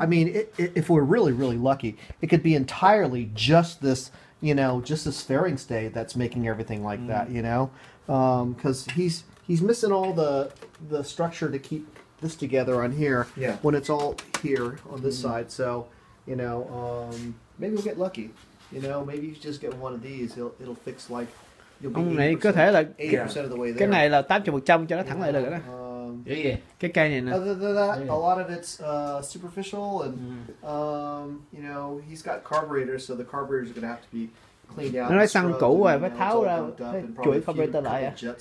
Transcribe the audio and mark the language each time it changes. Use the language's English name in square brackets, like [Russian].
[English] I mean, if we're really, really lucky, it could be entirely just this, you know, just this fairing stay that's making everything like mm. That, you know? Because he's missing all the structure to keep this together on here yeah. When it's all here on this mm-hmm. Side. So, you know, maybe we'll get lucky. You know, maybe you just get one of these. It'll fix like, you'll be 80% of the way there. [Vietnamese] Cái này là 80% cho nó thẳng lại được đó. Cái cây này nè. [English] Other than that, a lot of it's superficial and, you know, he's got carburetors, so the carburetors are going to have to be [Vietnamese] nó nói xăng cũ rồi mới tháo ra chuỗi carburetor lại à?